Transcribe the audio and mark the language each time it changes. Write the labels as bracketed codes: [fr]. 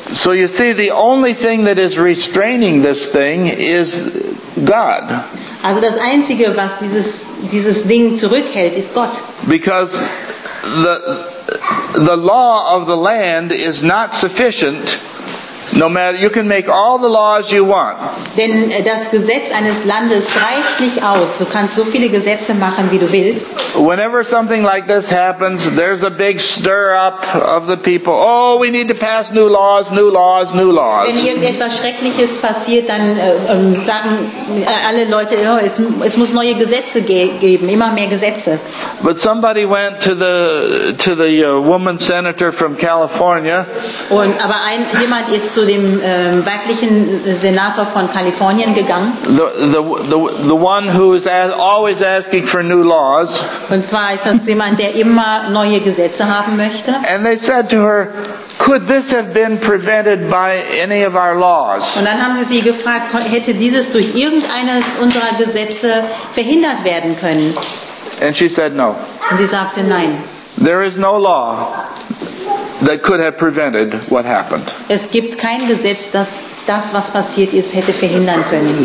[en] So you see, the only thing that is restraining this thing is God. [de] Also das Einzige, was dieses Ding zurückhält, ist Gott. [en] Because the law of the land is not sufficient. No matter, you can make all the laws you want. [de] Denn das Gesetz eines Landes reicht nicht aus. Du kannst so viele Gesetze machen, wie du willst. [en] Whenever something like this happens, there's a big stir up of the people. Oh, we need to pass new laws, new laws, new laws. [de] Wenn irgendetwas Schreckliches passiert, dann sagen alle Leute, oh, es muss neue Gesetze geben, immer mehr Gesetze. [en] But somebody went to the woman senator from California. [de] Und aber jemand ist zu dem weiblichen Senator von Kalifornien gegangen. [en] The one who is always asking for new laws. [de] Und zwar ist das jemand, der immer neue Gesetze haben möchte. [en] And they said to her, could this have been prevented by any of our laws? [de] Und dann haben sie gefragt, hätte dieses durch irgendeines unserer Gesetze verhindert werden können? [en] And she said no. [de] Und sie sagte nein. [en] There is no law that could have prevented what happened. [de] Es gibt kein Gesetz, das das, was passiert ist, hätte verhindern können.